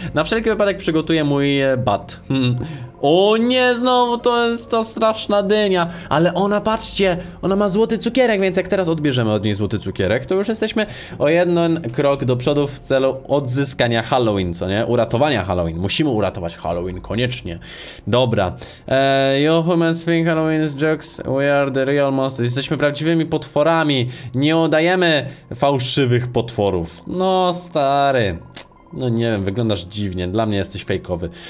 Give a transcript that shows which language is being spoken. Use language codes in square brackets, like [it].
[pl] Na wszelki wypadek przygotuję mój bat. O nie, znowu to jest ta straszna dynia. Ale ona, patrzcie, ona ma złoty cukierek, więc jak teraz odbierzemy od niej złoty cukierek, to już jesteśmy o jeden krok do przodu w celu odzyskania Halloween, co nie? Uratowania Halloween, musimy uratować Halloween, koniecznie. Dobra. [en] You humans think Halloween's jokes, we are the real monsters. [pl] Jesteśmy prawdziwymi potworami, nie udajemy fałszywych potworów. No stary, no nie wiem, wyglądasz dziwnie, dla mnie jesteś fejkowy.